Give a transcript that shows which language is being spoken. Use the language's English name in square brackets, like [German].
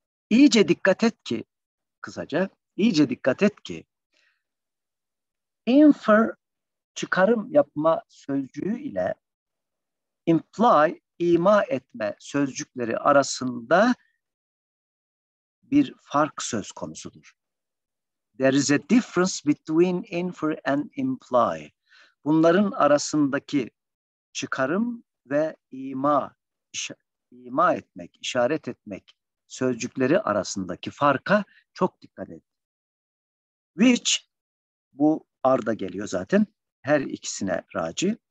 [Turkish] İyice dikkat et ki, kısaca, iyice dikkat et ki, infer, çıkarım yapma sözcüğü ile imply, ima etme sözcükleri arasında bir fark söz konusudur. [English] There is a difference between infer and imply. [Turkish] Bunların arasındaki çıkarım ve ima etmek, işaret etmek sözcükleri arasındaki farka çok dikkat edin. [English] Which, [Turkish] bu arda geliyor zaten. Her ikisine raci.